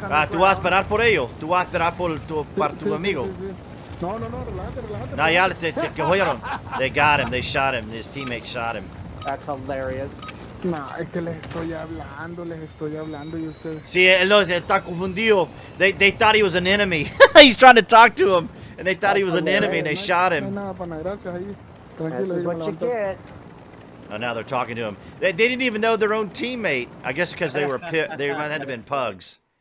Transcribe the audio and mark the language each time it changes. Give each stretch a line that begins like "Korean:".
Spanish: Tú vas a esperar por ello, tú vas a esperar por tu amigo. No, no, no, relájate, relájate. No, ya, te cogieron.
English: They got him, they shot him, his teammate shot him. That's hilarious.
Spanish: No, es que les estoy hablando y ustedes. Sí, él está confundido.
English: They thought he was an enemy. He's trying to talk to him, and they thought he was an enemy, and they shot him. This is what you get. Now they're talking to him. They didn't even know their own teammate. I guess because they were they might have been pugs.